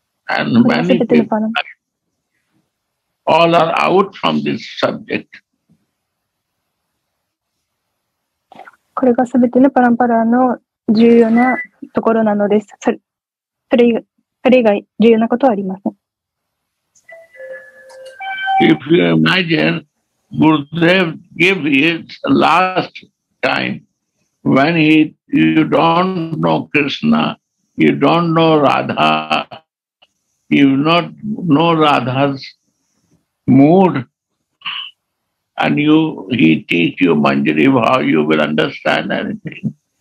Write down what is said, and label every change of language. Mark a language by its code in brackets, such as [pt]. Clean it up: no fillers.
[en] And many people, all are out from this subject. [ja] これがすべてのパランパラの重要なところなのです。それ以外重要なことはありません。 [en] If you imagine, Gurudev gave his last time when you don't know Krishna, you don't know Radha, you not know Radha's mood, and he teach you Manjari how you will understand anything.